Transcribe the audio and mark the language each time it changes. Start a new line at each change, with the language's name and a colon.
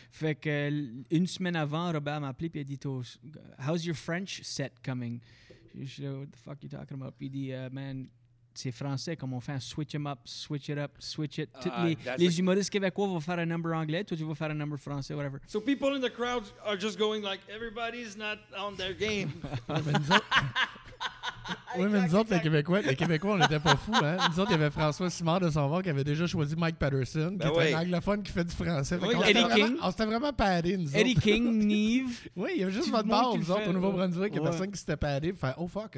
French: Fait que une semaine avant, Robert m'a appelé, puis il a dit
English: How's your French set coming?
French: Je dis,
English: what the fuck are you talking about?
French: Puis il dit,
English: man.
French: C'est français, comme on fait un
English: switch them up, switch it.
French: Les humoristes québécois vont faire un number anglais, toi tu vas faire un number français,
English: whatever. So people in the crowd are just going like, everybody's not on their game.
French: Oui, mais nous autres, les Québécois, on n'était pas fous. Hein? Nous autres, il y avait François Simard de son bord qui avait déjà choisi Mike Patterson, qui est un anglophone qui fait du français. Oui, Eddie King. On s'était vraiment paddé, nous autres. Eddie King, Neve. Oui, il y a juste votre bord, nous autres, au Nouveau-Brunswick. Il n'y a personne qui s'était paddé. Enfin, oh fuck.